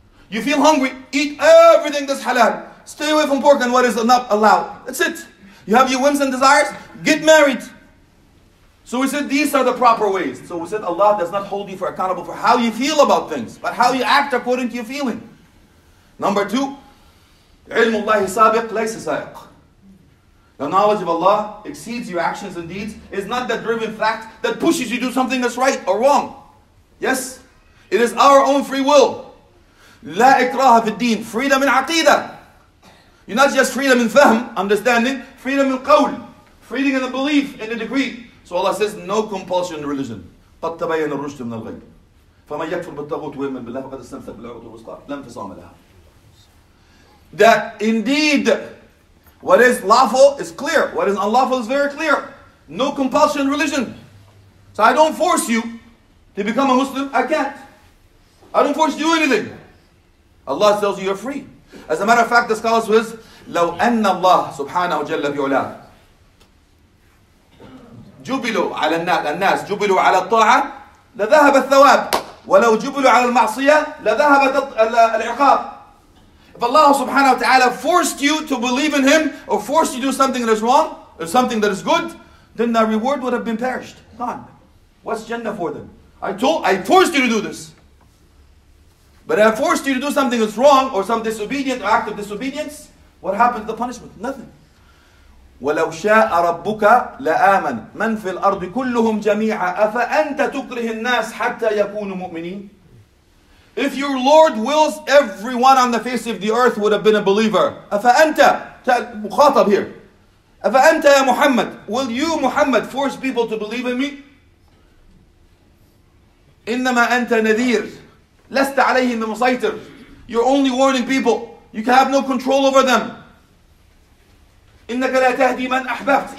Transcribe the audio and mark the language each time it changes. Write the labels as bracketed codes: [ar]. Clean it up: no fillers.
[en] You feel hungry, eat everything that's halal. Stay away from pork and what is not allowed. That's it. You have your whims and desires, get married. So we said these are the proper ways. So we said Allah does not hold you for accountable for how you feel about things, but how you act according to your feeling. Number two, [ar] عِلْمُ اللَّهِ سَابِقْ لَيْسَ سَائِقْ. [en] The knowledge of Allah exceeds your actions and deeds. It's not that driven fact that pushes you to do something that's right or wrong. Yes, it is our own free will. [ar] La ikraha fi al-deen. [en] Freedom in aqeedah. You're not just freedom in fahm, understanding. Freedom in qawl. Freedom in the belief, in the decree. So Allah says, no compulsion in religion. [ar] قَدْ تَبَيَّنَ الرُّشْدُ مِنَ الْغَيْبِ فَمَنْ يَكْفُرْ بِالطَّاغُوتِ وَيُؤْمِنْ بِاللَّهِ فَقَدْ اسْتَمْسَكَ بِالْعُرْوَةِ الْوُثْقَى لَا انْفِصَامَ لَهَا. [en] That indeed, what is lawful is clear. What is unlawful is very clear. No compulsion in religion. So I don't force you to become a Muslim. I can't. I don't force you to do anything. Allah tells you you're free. As a matter of fact, the scholar says, [ar] لَوْ أَنَّ اللَّهَ سُبْحَانَهُ جَلَّ فِي عُلَاهُ جُبِلُوا عَلَى النَّاسِ جُبِلُوا عَلَى الطَّاعَةِ لَذَهَبَ الثَّوَابِ وَلَوْ جُبِلُوا عَلَى الْمَعْصِيَةِ لَذَهَبَ الْعِقَابِ. [en] If Allah subhanahu wa ta'ala forced you to believe in Him or forced you to do something that is wrong or something that is good, then the reward would have been perished. Gone. What's Jannah for them? I forced you to do this. But if I forced you to do something that's wrong or some disobedient or act of disobedience, what happened to the punishment? Nothing. [ar] وَلَوْ شَاءَ رَبُّكَ لَآمَنْ مَنْ فِي الْأَرْضِ كُلُّهُمْ جَمِيعًا أَفَأَنْتَ تُكْرِهِ النَّاسِ حَتَّى يَكُونُوا مُؤْمِنِينَ. [en] If your Lord wills, everyone on the face of the earth would have been a believer. [ar] أَفَأَنْتَ مُخَاطَبْ [en] here. [ar] أَفَأَنْتَ يَا مُحَمَّدْ. [en] Will you, Muhammad, force people to believe in me? [ar] إِنَّمَا أَنْتَ نَذِيرٌ. لَسْتَ عَلَيْهِمْ مُسَيْطِرٌ. [en] You're only warning people. You can have no control over them. [ar] إِنَّكَ لَا تَهْدِي مَنْ أَحْبَبْتْ.